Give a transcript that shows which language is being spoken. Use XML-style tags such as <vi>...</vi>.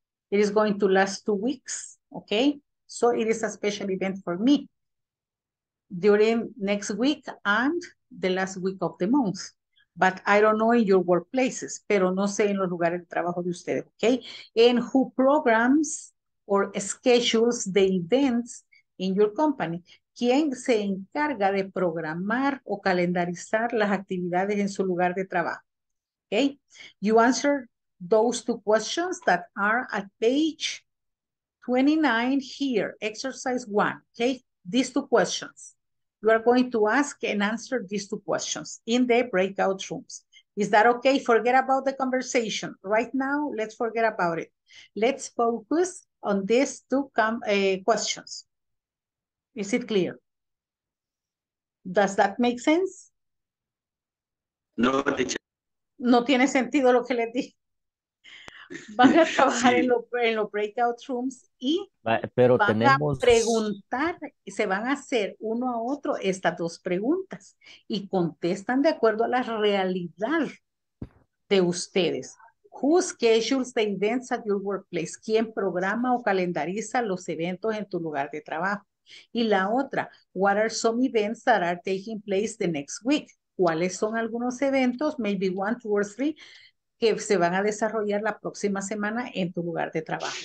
<en>It is going to last 2 weeks, okay? So it is a special event for me during next week and the last week of the month. But I don't know in your workplaces,</en> <es>pero no sé en los lugares de trabajo de ustedes,</es> <en>okay? And who programs or schedules the events in your company?</en> <es>¿Quién se encarga de programar o calendarizar las actividades en su lugar de trabajo?</es> <en>Okay? You answer those two questions that are at page 29 here, exercise one, okay? These two questions. You are going to ask and answer these two questions in the breakout rooms. Is that okay? Forget about the conversation. Right now, let's forget about it. Let's focus on these two questions. Is it clear? Does that make sense?</en> <es>No, no tiene sentido lo que les dije. Van a trabajar sí. en los breakout rooms y pero van tenemos... a preguntar, se van a hacer uno a otro estas dos preguntas y contestan de acuerdo a la realidad de ustedes.</es> <en>Who schedules the events at your workplace?</en> <es>¿Quién programa o calendariza los eventos en tu lugar de trabajo? Y la otra,</es> <en>what are some events that are taking place the next week?</en> <es>¿Cuáles son algunos eventos,</es> <en>maybe one, two or three,</en> <es>que se van a desarrollar la próxima semana en tu lugar de trabajo?</es>